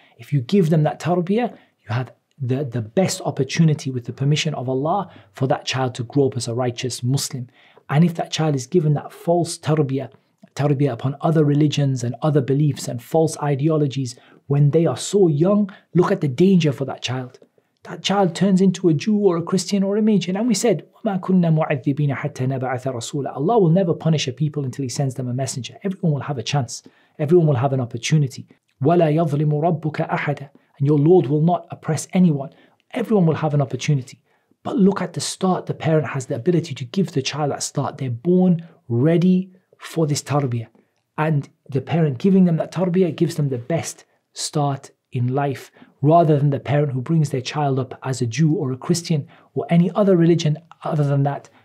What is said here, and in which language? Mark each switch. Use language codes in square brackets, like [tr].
[en] If you give them that tarbiyah, you have the best opportunity, with the permission of Allah, for that child to grow up as a righteous Muslim. And if that child is given that false tarbiyah upon other religions and other beliefs and false ideologies, when they are so young, look at the danger for that child. That child turns into a Jew or a Christian or a Magian. And we said, [ar] وَمَا كُنَّا مُعَذِّبِينَ حَتَّى نَبَعَثَ رَسُولًا. [en] Allah will never punish a people until He sends them a messenger. Everyone will have a chance. Everyone will have an opportunity. [ar] وَلَا يَظْلِمُ رَبُّكَ أَحَدًا. [en] And your Lord will not oppress anyone. Everyone will have an opportunity. But look at the start. The parent has the ability to give the child that start. They're born ready for this tarbiyah. And the parent giving them that tarbiyah gives them the best start in life, rather than the parent who brings their child up as a Jew or a Christian or any other religion other than that.